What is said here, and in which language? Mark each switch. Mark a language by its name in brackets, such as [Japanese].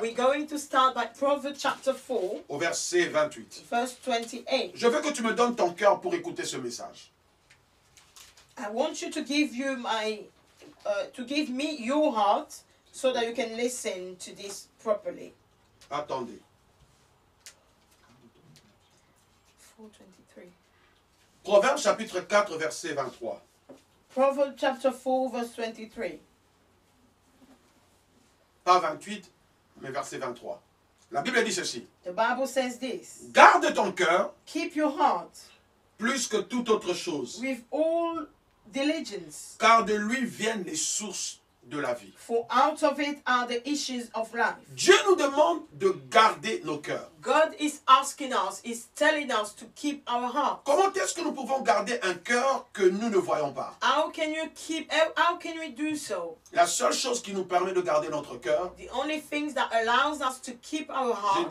[English] We're going to start by Proverbs chapter 4. [French] Au verset 28. [English] Verse 28. [French] Je veux que tu me donnes ton cœur pour écouter ce message. [English] I want you to give you me your heart so that you can listen to this properly. [French] Attendez. 23. Proverbe chapitre 4 verset 23. Proverbe chapitre 4 verset 23. Pas 28, mais verset 23. La Bible dit ceci. [English] The Bible says this. [French] Garde ton cœur. [English] Keep your heart. [French] Plus que toute autre chose. [English] With all diligence. [French] Car de lui viennent les sources de la vie. [English] For out of it are the issues of life. [French] Dieu nous demande de garder nos cœurs. [English] God is asking us, is telling us to keep our heart. [French] Comment est-ce que nous pouvons garder un cœur que nous ne voyons pas? [English] How can we do so? [French] La seule chose qui nous permet de garder notre cœur. [English] The only things that allows us to keep our heart.